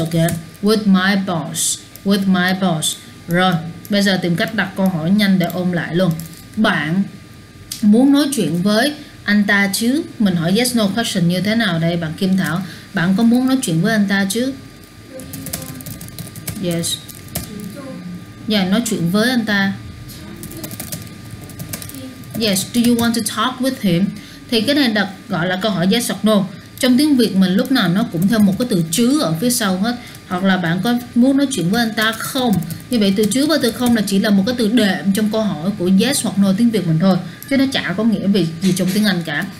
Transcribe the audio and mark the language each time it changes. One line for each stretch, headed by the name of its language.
English: Ok, with my boss, with my boss.
Vietnamese: Rồi, bây giờ tìm cách đặt câu hỏi nhanh để ôm lại luôn. Bạn muốn nói chuyện với anh ta chứ? Mình hỏi
English: yes no question
Vietnamese: như thế nào đây bạn Kim Thảo? Bạn có muốn nói chuyện với anh ta chứ? Yes. Dạ, yeah, nói chuyện với anh ta.
English: Yes, do you want to talk with him?
Vietnamese: Thì cái này đặt gọi là câu hỏi
English: yes or no.
Vietnamese: Trong tiếng Việt mình lúc nào nó cũng theo một cái từ chứ ở phía sau hết. Hoặc là bạn có muốn nói chuyện với anh ta không? Như vậy từ chứ và từ không là chỉ là một cái từ đệm trong câu hỏi của yes hoặc no tiếng Việt mình thôi, chứ nó chả có nghĩa về gì trong tiếng Anh cả.